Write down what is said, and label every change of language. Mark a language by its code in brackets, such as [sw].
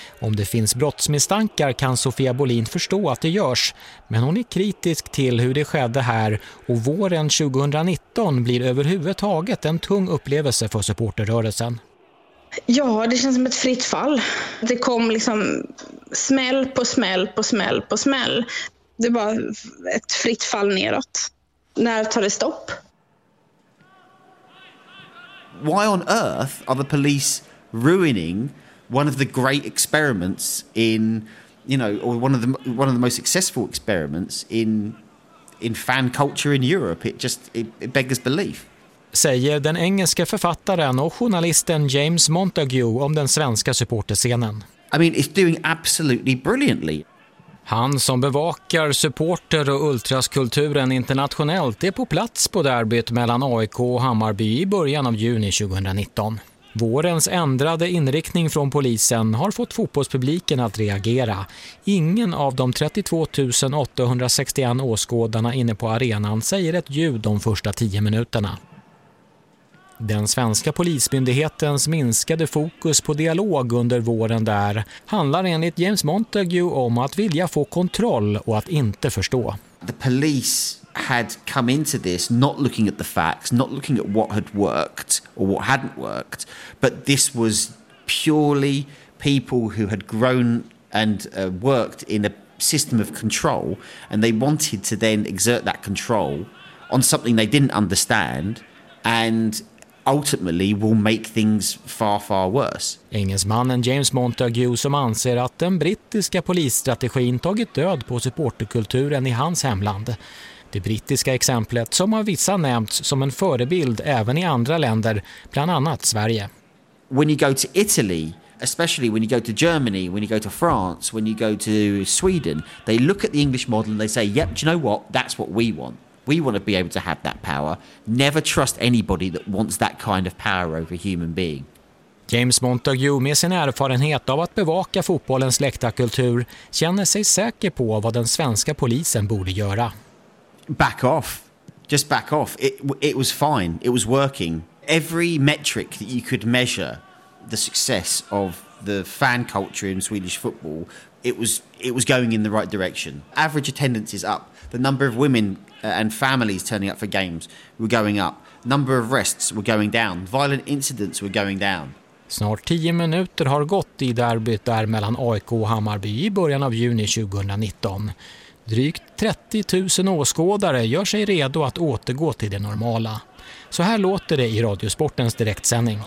[sv] Om det finns brottsmisstankar kan Sofia Bolin förstå att det görs, men hon är kritisk till hur det skedde här, och våren 2019 blir överhuvudtaget en tung upplevelse för supporterrörelsen. Ja, det känns som ett fritt fall. Det kom liksom smäll på smäll på smäll på smäll. Det var ett fritt fall neråt. När tar det stopp? [en] Why on earth are the police ruining one of the great experiments in, you know, or one of the most successful experiments in fan culture in Europe? It beggars belief. [sv] Säger den engelska författaren och journalisten James Montague om den svenska supporterscenen. [en] I mean, it's doing absolutely brilliantly. [sv] Han som bevakar supporter- och ultraskulturen internationellt är på plats på derbyt mellan AIK och Hammarby i början av juni 2019. Vårens ändrade inriktning från polisen har fått fotbollspubliken att reagera. Ingen av de 32 861 åskådarna inne på arenan säger ett ljud de första 10 minuterna. Den svenska polismyndighetens minskade fokus på dialog under våren där handlar enligt James Montague om att vilja få kontroll och att inte förstå. [en] The police had come into this not looking at the facts, not looking at what had worked or what hadn't worked, but this was purely people who had grown and worked in a system of control, and they wanted to then exert that control on something they didn't understand and ultimately will make things far, far worse. [sv] Engelsmannen James Montague som anser att den brittiska polisstrategin tagit död på supporterkulturen i hans hemland. Det brittiska exemplet som har vissa nämnt som en förebild även i andra länder, bland annat Sverige. [en] When you go to Italy, especially when you go to Germany, when you go to France, when you go to Sweden, they look at the English model and they say, yep, do you know what? That's what we want. We want to be able to have that power. Never trust anybody that wants that kind of power over a human being. [sv] James Montague, med sin erfarenhet av att bevaka fotbollens läktarkultur, känner sig säker på vad den svenska polisen borde göra. [en] Back off. Just back off. It was fine. It was working. Every metric that you could measure the success of the fan culture in Swedish football, it was going in the right direction. Average attendance is up. The number of women and families turning up for games were going up. Number of arrests were going down. Violent incidents were going down. [sv] Snart 10 minuter har gått i derbyt där mellan AIK och Hammarby i början av juni 2019. Drygt 30 000 åskådare gör sig redo att återgå till det normala. Så här låter det i Radiosportens direktsändning.